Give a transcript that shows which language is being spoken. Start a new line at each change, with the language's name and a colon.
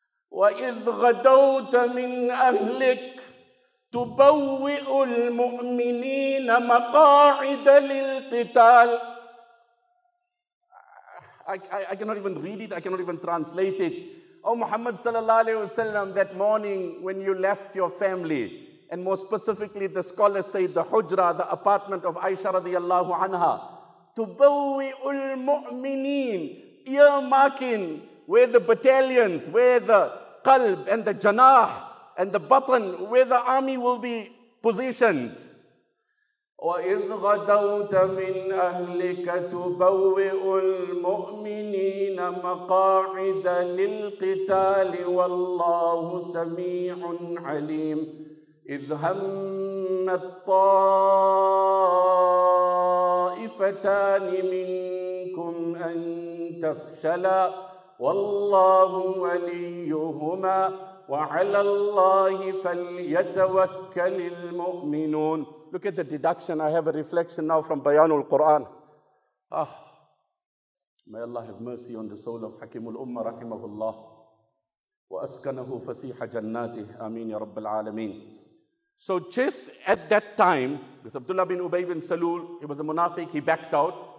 Arabic: وإذ غدوت من أهلك تبوئ المؤمنين مقاعد للقتال.
English: I cannot even read it. I cannot even translate it. Oh, Muhammad sallallahu alayhi wasallam, that morning when you left your family, and more specifically the scholars say the hujra, the apartment of Aisha radiallahu anha, tubawwi'u al-mu'minin, earmarking where the battalions, where the qalb and the janah and the batn, where the army will be positioned.
Arabic: وَإِذْ غَدَوْتَ مِنْ أَهْلِكَ تُبَوِّئُ الْمُؤْمِنِينَ مَقَاعِدَ لِلْقِتَالِ وَاللَّهُ سَمِيعٌ عَلِيمٌ إِذْ هَمَّ الطَّائِفَتَانِ مِنْكُمْ أن تفشلا والله وليهما وعلى الله فليتوكل المؤمنون.
English: Look at the deduction. I have a reflection now from Bayan al-Quran. Ah, may Allah have mercy on the soul of Hakim al-Ummah, rahimahullah.
Arabic: وَأَسْكَنَهُ فَسِيحَ جَنَّاتِهِ آمين يا رب العالمين.
English: So just at that time, because Abdullah bin Ubay bin Salul, he was a munafiq, he backed out.